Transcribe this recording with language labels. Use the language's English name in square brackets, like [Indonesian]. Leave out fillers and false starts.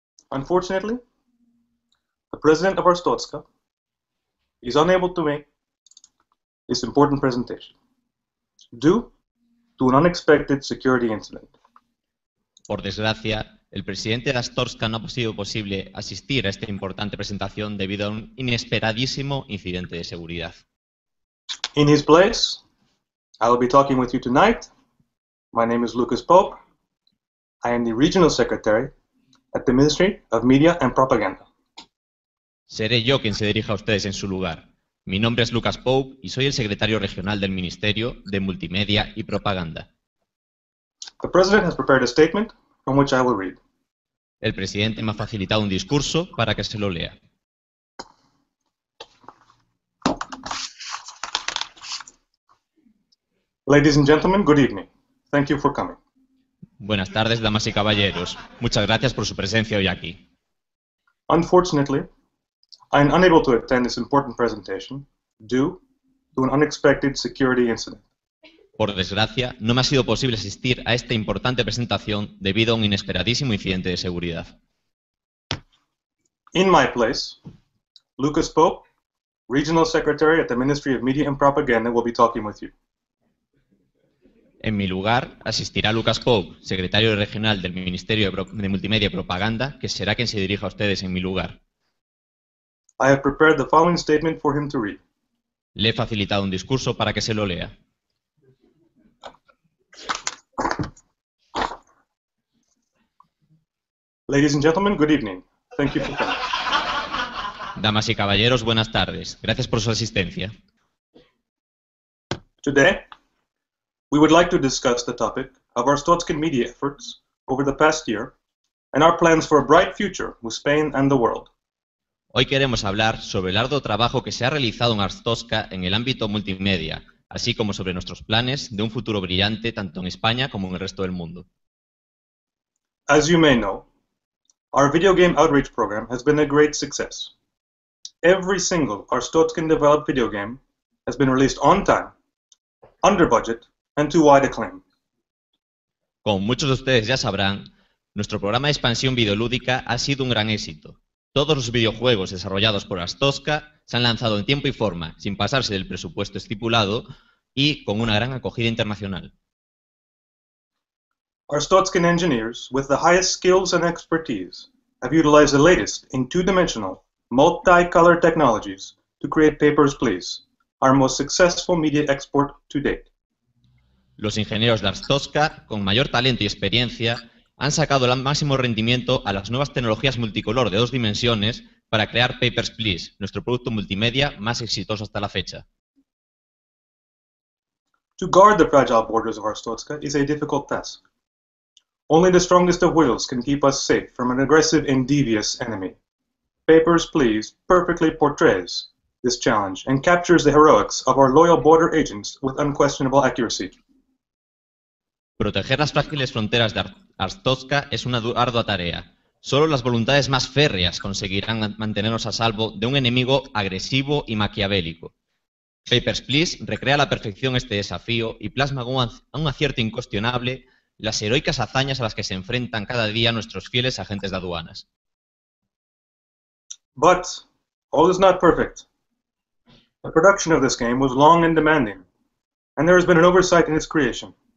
[English] Unfortunately, the president of Astorska is unable to make this important presentation due to an unexpected security incident. [Spanish] Por desgracia, el presidente de Astorska no ha sido posible asistir a esta importante presentación debido a un inesperadísimo incidente de seguridad. [English] In his place, I will be talking with you tonight. My name is Lucas Pope. I am the regional secretary at the Ministry of Media and Propaganda. [Spanish] Seré yo quien se dirija a ustedes en su lugar. Mi nombre es Lucas Pope y soy el secretario regional del Ministerio de Multimedia y Propaganda. [English] The president has prepared a statement from which I will read. [Spanish] El presidente me ha facilitado un discurso para que se lo lea. [English] Ladies and gentlemen, good evening. Thank you for coming. [Spanish] Buenas tardes, damas y caballeros. Muchas gracias por su presencia hoy aquí. [English] Unfortunately, I am unable to attend this important presentation due to an unexpected security incident. [Spanish] Por desgracia, no me ha sido posible asistir a esta importante presentación debido a un inesperadísimo incidente de seguridad. [English] In my place, Lucas Pope, Regional Secretary at the Ministry of Media and Propaganda, will be talking with you. [Spanish] En mi lugar, asistirá Lucas Pope, Secretario Regional del Ministerio de Multimedia y Propaganda, que será quien se dirija a ustedes en mi lugar. [English] I have prepared the following statement for him to read. [Spanish] Le he facilitado un discurso para que se lo lea. [English] Ladies and gentlemen, good evening. Thank you for coming. [Spanish] Damas y caballeros, buenas tardes. Gracias por su asistencia. [English] Today, we would like to discuss the topic of our Stotskin media efforts over the past year and our plans for a bright future with Spain and the world. [Spanish] Hoy queremos hablar sobre el arduo trabajo que se ha realizado en Arztosca en el ámbito multimedia, así como sobre nuestros planes de un futuro brillante tanto en España como en el resto del mundo. [English] As you may know, our video game outreach program has been a great success. Every single Arztotskin developed video game has been released on time, under budget, and to wide acclaim. [Spanish] Como muchos de ustedes ya sabrán, nuestro programa de expansión videolúdica ha sido un gran éxito. Todos los videojuegos desarrollados por Arztosca se han lanzado en tiempo y forma, sin pasarse del presupuesto estipulado y con una gran acogida internacional. [English] Arztotskin engineers with the highest skills and expertise have utilized the latest in two-dimensional, multi-color technologies to create Papers, Please, our most successful media export to date. [Spanish] Los ingenieros de Arztosca, con mayor talento y experiencia, han sacado el máximo rendimiento a las nuevas tecnologías multicolor de dos dimensiones para crear Papers, Please, nuestro producto multimedia más exitoso hasta la fecha. [English] To guard the fragile borders of Arztotska is a difficult task. Only the strongest of wills can keep us safe from an aggressive and devious enemy. Papers, Please perfectly portrays this challenge and captures the heroics of our loyal border agents with unquestionable accuracy. [Spanish] Proteger las frágiles fronteras de Arztosca es una ardua tarea. Solo las voluntades más férreas conseguirán mantenernos a salvo de un enemigo agresivo y maquiavélico. Papers, Please recrea a la perfección este desafío y plasma con un acierto incuestionable las heroicas hazañas a las que se enfrentan cada día nuestros fieles agentes de aduanas. [English] But all is not perfect. The production of this game was long and demanding, and there has been an oversight in its creation.